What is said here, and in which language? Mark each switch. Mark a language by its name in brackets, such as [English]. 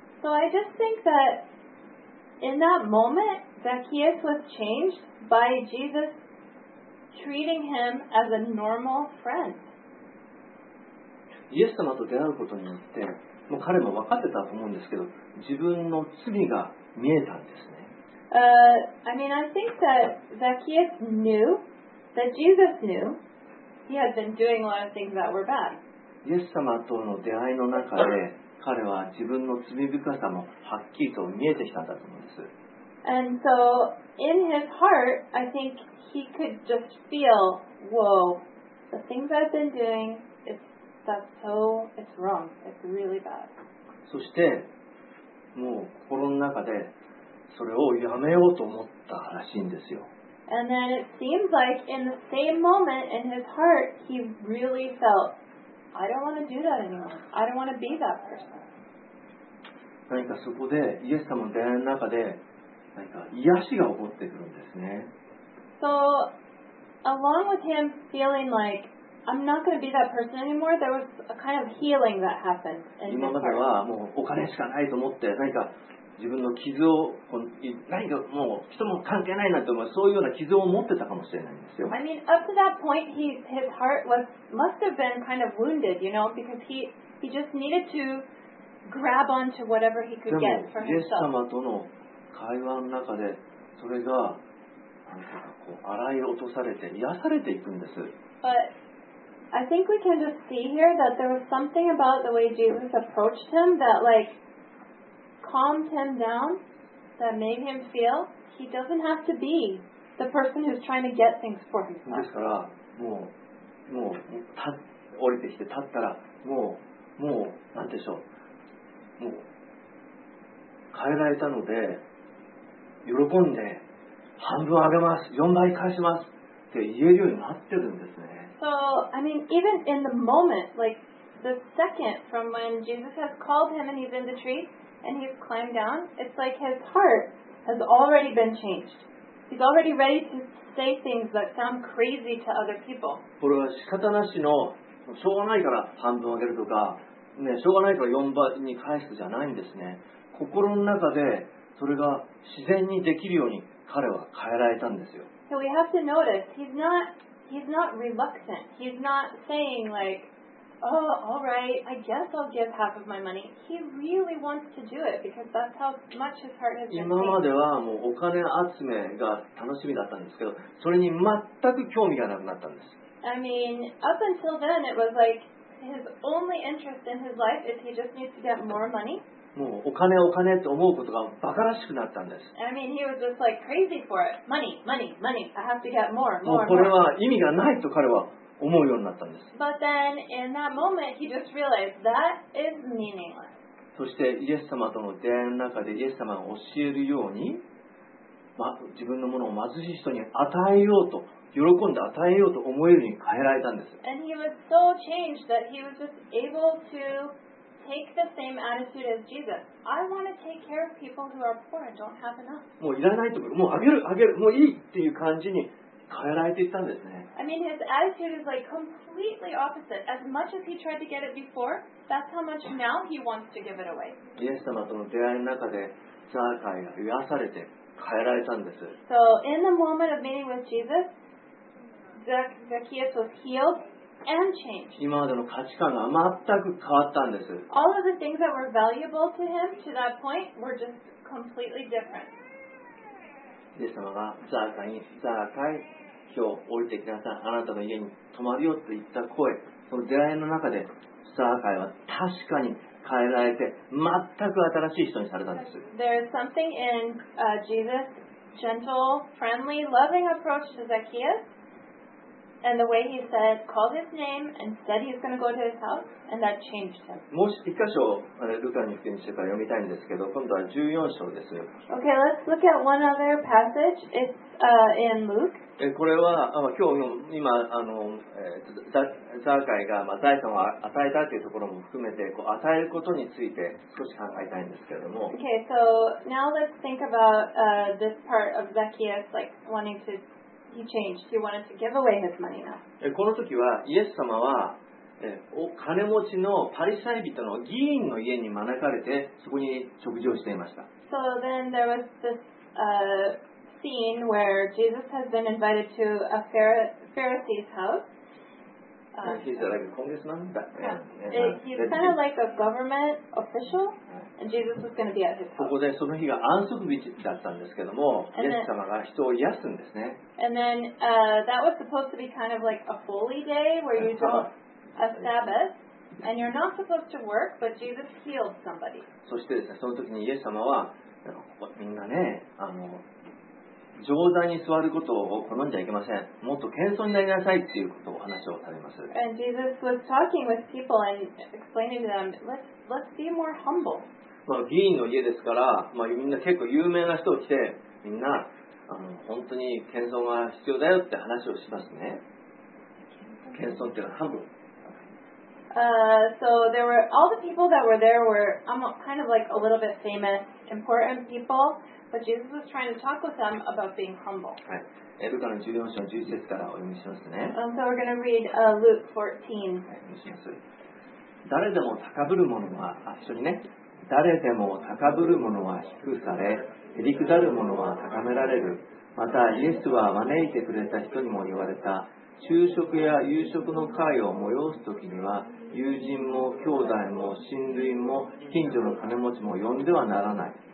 [English] So I just think that in that moment, Zacchaeus was changed by Jesus treating him as a normal friend. [Japanese] イエス様と出会うことによって、もう彼も分かってたと思うんですけど、自分の罪が見えたんですね。 [English] I mean, I think that Zacchaeus knew that Jesus knew he had been doing a lot of things that were bad. [Japanese] イエス様との出会いの中で、彼は自分の罪深さもはっきりと見えてきたんだと思うんです。 [English] And so, in his heart, I think he could just feel, whoa, The things I've been doing, it's wrong. It's really bad. [Japanese] そしてもう心の中でそれをやめようと思ったらしいんですよ。 [English] And then it seems like in the same moment in his heart, he really felt, I don't want to do that anymore. I don't want to be that person. [Japanese] 何かそこでイエス様の出会いの中で何か癒しが起こってくるんですね。 [English] So, along with him feeling like, I'm not going to be that person anymore, there was a kind of healing that happened in his heart. [Japanese] 今まではもうお金しかないと思って何か自分の傷を何かもう人も関係ないなと思うそういうような傷を持ってたかもしれないんですよ。 [English] I mean, up to that point, his heart must have been kind of wounded, you know, because he just needed to grab onto whatever he could get from himself. [Japanese] でもイエス様との会話の中でそれが洗い落とされて癒されていくんです。 [English] But I think we can just see here that there was something about the way Jesus approached him that like. Calmed him down, that made him feel he doesn't have to be the person who's trying to get things for himself. [Japanese] ですから、もう降りてきて立ったら、もうなんでしょう、もう変えられたので喜んで半分あげます、4倍返しますって言えるようになってるんですね。 [English] So I mean, even in the moment, like the second from when Jesus has called him and he's in the tree. And he's climbed down. It's like his heart has already been changed. He's already ready to say things that sound crazy to other people. [Japanese] これは仕方なしのしょうがないから半分あげるとか、ね、しょうがないから4倍に返すじゃないんですね。心の中でそれが自然にできるように彼は変えられたんですよ。 [English] So we have to notice he's not reluctant. He's not saying like. Oh, all right. I guess I'll give half of my money. He really wants to do it because that's how much his heart has been. [Japanese] 今まではもうお金集めが楽しみだったんですけど、それに全く興味がなくなったんです。 [English] I mean, up until then, it was like his only interest in his life is he just needs to get more money. [Japanese] もうお金お金って思うことが馬鹿らしくなったんです。 [English] I mean, he was just like crazy for it. Money, money, money. I have to get more, more. [Japanese] もうこれは意味がないと彼は。思うようになったんです。 [English] But then in that moment, he just realized that is meaningless. [Japanese] そしてイエス様との出会いの中でイエス様が教えるように、ま、自分のものを貧しい人に与えようと喜んで与えようと思えるように変えられたんです。 [English] And he was so changed that he was just able to take the same attitude as Jesus. I want to take care of people who are poor and don't have enough. [Japanese] もういらないところ、もうあげるあげる、もういいっていう感じに。変えられていったんですね。 [English] I mean, his attitude is like completely opposite. As much as he tried to get it before, that's how much now he wants to give it away. [Japanese] イエス様との出会いの中でザーカイが癒されて変えられたんです。 [English] So in the moment of meeting with Jesus, Zacchaeus was healed and changed. [Japanese] 今までの価値観が全く変わったんです。 [English] All of the things that were valuable to him to that point were just completely different. [Japanese] イエス様がザーカイにザーカイ今日降りてきなさいあなたの家に泊まるよと言った声その出会いの中でザーカイは確かに変えられて全く新しい人にされたんです。 [English] There is something in Jesus' gentle, friendly, loving approach to Zacchaeus and the way he said, called his name and said he's going to go to his house and that changed him. [Japanese] もう一箇所あれルカに福音書から読みたいんですけど今度は14章ですよ。 [English] Okay, let's look at one other passage. It's in Luke. [Japanese] これは今日の今ザーカイが財産を与えたというところも含めてこう与えることについて少し考えたいんですけれども。 [English] Okay, so now let's think about this part of Zacchaeus like wanting to he changed. He wanted to give away his money now. [Japanese] この時はイエス様はお金持ちのパリサイ人の議員の家に招かれてそこに食事をしていました。 [English] So then there was this scene where Jesus has been invited to a Pharisee's house. He's like a congressman. He's kind of like a government official, and Jesus was going to be at his house. [Japanese] ここでその日が安息日だったんですけども、イエス様が人を癒すんですね。 [English] And then that was supposed to be kind of like a holy day where you don't. A Sabbath, and you're not supposed to work, but Jesus healed somebody. [Japanese] そしてですね、その時にイエス様はみんなね、上座に座ることを好んじゃいけません。もっと謙遜になりなさいということをお話をされます。 [English] And Jesus was talking with people and explaining to them, let's be more humble. [Japanese] まあ、議員の家ですから、まあ、みんな結構有名な人を来て、みんな、本当に謙遜が必要だよって話をしますね。謙遜っていうのは humble。 [English] So there were all the people that were there were kind of like a little bit famous, important people, but Jesus was trying to talk with them about being humble. [Japanese] はい。ルカの14章の11節からお読みしますね。 [English] So we're going to read Luke 14. [Japanese] はい、します。誰でも高ぶる者は、あ、一緒にね。誰でも高ぶる者は低され、へりくだる者は高められる。またイエスは招いてくれた人にも言われた。昼食や夕食の会を催すときには、友人も兄弟も親類も近所の金持ちも呼んではならない。